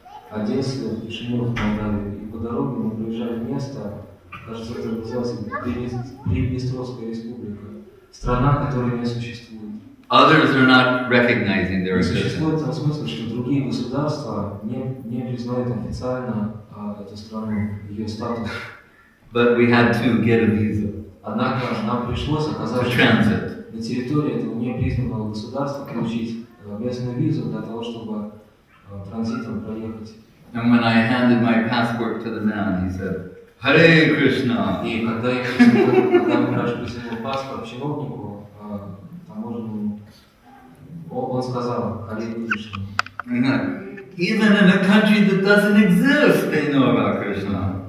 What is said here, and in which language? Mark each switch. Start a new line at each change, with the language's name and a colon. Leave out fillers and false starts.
Russian: Одесса, Кишинев, Молдавия. И по дороге мы приезжали в место, кажется, это называется Приднестровская республика. Страна, которая не существует.
English: Others are not recognizing their existence.
Russian: Существует в том смысле, что другие государства не признают официально эту страну, ее статус.
English: But we had to get a visa.
Russian: Однако нам пришлось оказаться
English: transit.
Russian: На территории этого непризнанного государства получить местную визу для того, чтобы транзитом проехать.
English: And when I handed my passport to the man, he said, Hare Krishna!
Russian: И когда я пришел паспорт чиновнику, таможенному, он сказал, Hare Krishna.
English: Even in a country that doesn't exist, they know about Krishna.